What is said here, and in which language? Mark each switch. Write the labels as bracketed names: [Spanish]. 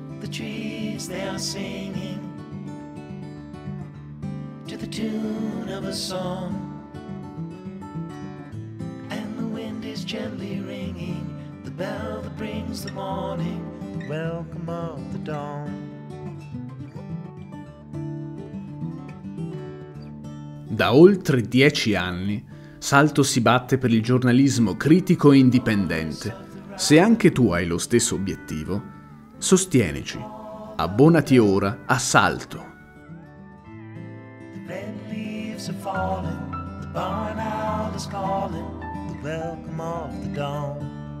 [English] The trees, they are singing to the tune of a song, and the wind is gently ringing the bell that brings the morning, the welcome of the dawn. [Italian] Da oltre 10 anni Salto si batte per il giornalismo critico e indipendente. Se anche tu hai lo stesso obiettivo, sostienici. Abbonati ora a Salto. [English] Have fallen, the barn owl is calling, the welcome of the dawn.